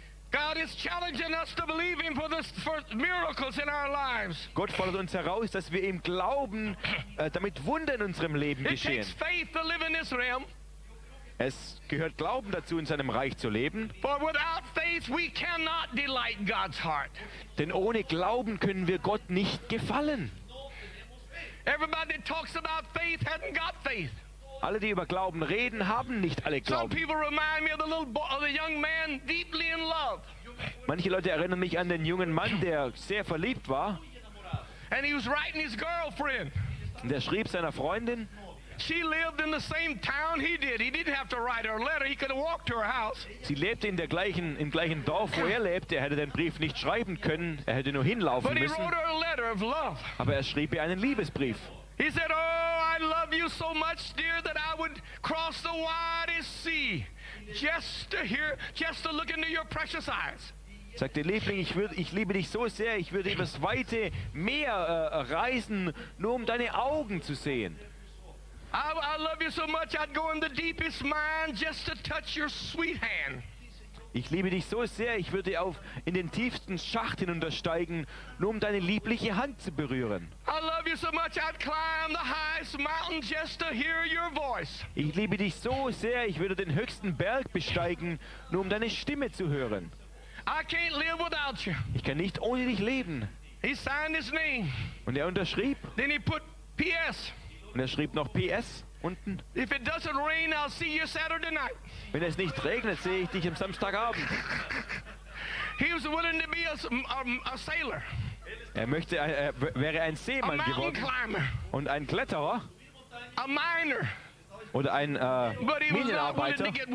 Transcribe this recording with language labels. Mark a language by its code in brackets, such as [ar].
[en] God is challenging us to believe him for miracles in our lives. [de] Gott fordert uns heraus, dass wir ihm glauben, damit Wunder in unserem Leben geschehen. [en] It takes faith to live in this realm. [de] Es gehört Glauben dazu, in seinem Reich zu leben. [en] For without faith we cannot delight God's heart. [de] Denn ohne Glauben können wir Gott nicht gefallen. [en] Everybody talks about faith, hadn't got faith. [de] Alle, die über Glauben reden, haben nicht alle Glauben. [en] Some people remind me of the little boy, of the young man deeply in love. [de] Manche Leute erinnern mich an den jungen Mann, der sehr verliebt war. [en] And he was writing his girlfriend. [de] Und er schrieb seiner Freundin. [en] She lived in the same town he did. He didn't have to write her a letter. He could have walked to her house. [de] Sie lebte in der gleichen im gleichen Dorf, wo er lebte. Er hätte den Brief nicht schreiben können. Er hätte nur hinlaufen müssen. [en] But he wrote her a letter of love. [de] Aber er schrieb ihr einen Liebesbrief. [en] He said, "Oh, I love you so much, dear, that I would cross the widest sea just to hear, just to look into your precious eyes." [de] Sagte, Liebling, ich liebe dich so sehr, ich würde übers weite Meer reisen, nur um deine Augen zu sehen. [en] I love you so much, I'd go in the deepest mind just to touch your sweet hand. [de] Ich liebe dich so sehr, ich würde auf in den tiefsten Schacht hinuntersteigen, nur um deine liebliche Hand zu berühren. [en] I love you so much, I'd climb the highest mountain just to hear your voice. [de] Ich liebe dich so sehr, ich würde den höchsten Berg besteigen, nur um deine Stimme zu hören. [en] I can't live without you. [de] Ich kann nicht ohne dich leben. [en] He signed his name. [de] Und er unterschrieb. [en] Then he put PS. [de] Und er schrieb noch PS unten. [en] If it doesn't rain, I'll see you Saturday night. [de] Wenn es nicht regnet, sehe ich dich am Samstagabend. [en] He was willing to be a sailor. [de] Er möchte wäre ein Seemann [en] a [de] geworden. [en] Climber. [de] Und ein Kletterer. [en] A miner. [de] Oder ein Minenarbeiter.